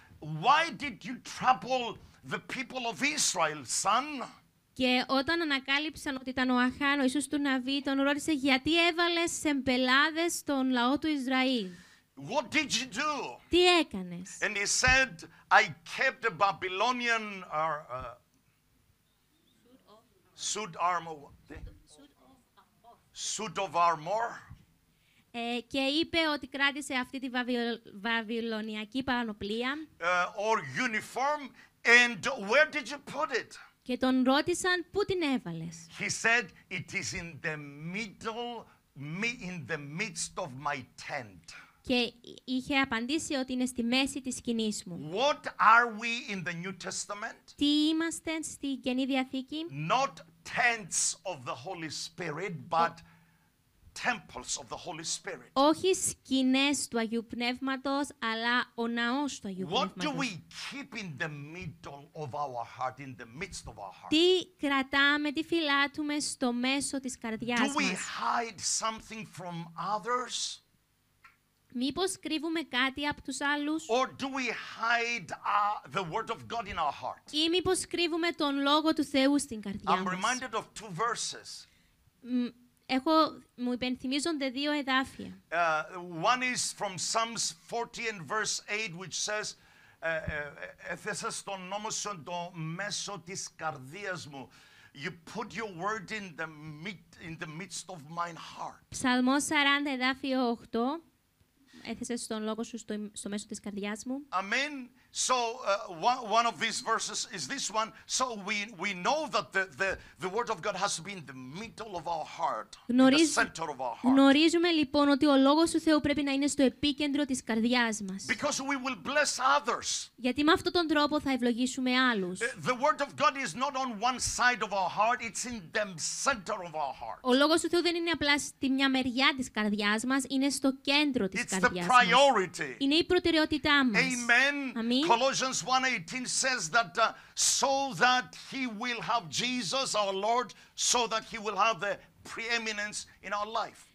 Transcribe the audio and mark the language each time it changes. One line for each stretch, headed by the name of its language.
English: Why did you trouble the people of Israel, son?"
Greek: Και όταν ανακάλυψαν ότι ήταν ο Αχάν, ο Ιησούς του Ναβί, τον ρώτησε, "Γιατί έβαλες σε μπελάδες τον λαό του Ισραήλ?"
English: What did you do?
Greek: Τι έκανες?
English: And he said, "I kept a Babylonian suit of armor."
Greek: Και είπε ότι κράτησε αυτή τη βαβυλωνιακή πανοπλία.
English: Or uniform, and where did you put it?
Greek: Και τον ρώτησαν πού την έβαλες.
English: He said, "It is in the middle, me in the midst of my tent."
Greek: Και είχε απαντήσει ότι είναι στη μέση της σκηνής μου.
English: What are we in the New Testament?
Greek: Τι είμαστε στη Καινή Διαθήκη?
English: Not tents of the Holy Spirit, but temples of the Holy Spirit.
Greek: Όχι σκηνές του Αγίου Πνεύματος, αλλά ο ναός του Αγίου
English: What
Greek: Πνεύματος.
English: What do we keep in the middle of our heart, in the midst of our heart?
Greek: Τι κρατάμε, τι φυλάττουμε στο μέσο της καρδιάς μας?
English: Do we hide something from others?
Greek: Μήπως κρύβουμε κάτι από τους άλλους?
English: Or do we hide the word of God in our heart?
Greek: Ή μήπως κρύβουμε τον λόγο του Θεού στην καρδιά μας?
English: I'm reminded of two verses.
Greek: Μου υπενθυμίζονται δύο εδάφια.
English: One is from Psalms 40 and verse 8, which says,
Greek: «Έθεσα στον νόμο σου το μέσο της καρδίας μου».
English: You put your word in the midst of my heart.
Greek: Ψαλμός 40, εδάφιο 8. Έθεσε τον λόγο σου στο μέσο της καρδιάς μου.
English: Amen. So one of these verses is this one. So we know that the word of God has to be in the middle of our heart, in the center of our heart.
Greek: Γνωρίζουμε λοιπόν ότι ο λόγος του Θεού πρέπει να είναι στο επίκεντρο της καρδιάς μας.
English: Because we will bless others.
Greek: Γιατί με αυτόν τον τρόπο θα ευλογήσουμε άλλους.
English: The word of God is not on one side of our heart; it's in the center of our heart.
Greek: Ο λόγος του Θεού δεν είναι απλά στη μια μεριά της καρδιάς μας, είναι στο κέντρο της καρδιάς μας.
English: It's the priority.
Greek: Είναι η προτεραιότητά μας.
English: Amen. Colossians 1:18 says that so that he will have Jesus our Lord, so that he will have the preeminence in our life.